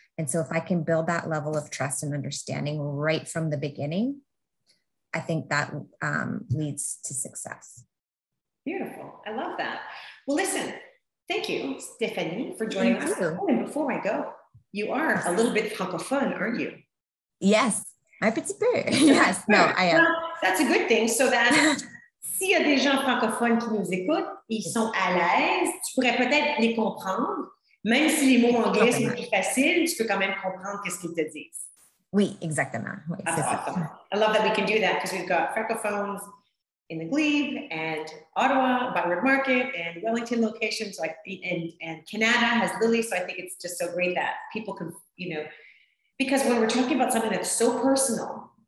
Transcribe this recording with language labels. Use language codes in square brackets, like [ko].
[en] And so if I can build that level of trust and understanding right from the beginning, I think that leads to success. Beautiful. I love that. Well, listen, thank you, Stephanie, for joining us. Oh, and before I go, you are a little bit cock of fun, aren't you? Yes. I'm a spirit. Yes. No, I am. Well, that's a good thing. So that... [fr] S'il y a des gens francophones qui nous écoutent, ils sont à l'aise, tu pourrais peut-être les comprendre. Même si les mots anglais sont plus faciles, tu peux quand même comprendre qu'est-ce qu'ils te disent. Oui, exactement. [en] Oui, that's awesome. Ça. I love that we can do that because we've got francophones in the Glebe and Ottawa, Byward Market and Wellington locations, like and Canada has Lily. So I think it's just so great that people can, you know, because when we're talking about something that's so personal,